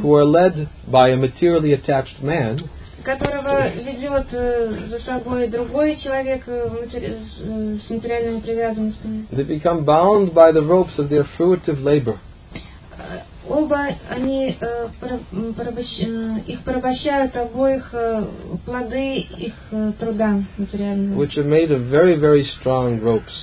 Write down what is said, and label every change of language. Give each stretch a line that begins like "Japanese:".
English: Who are led by a materially attached man.
Russian: Которого ведет за собой другой человек с материальными привязанностями.
English: They become bound by the ropes of their fruitive labor.
Russian: Оба они их порабощают обоих плоды их труда материального.
English: Which are made of very, very strong ropes.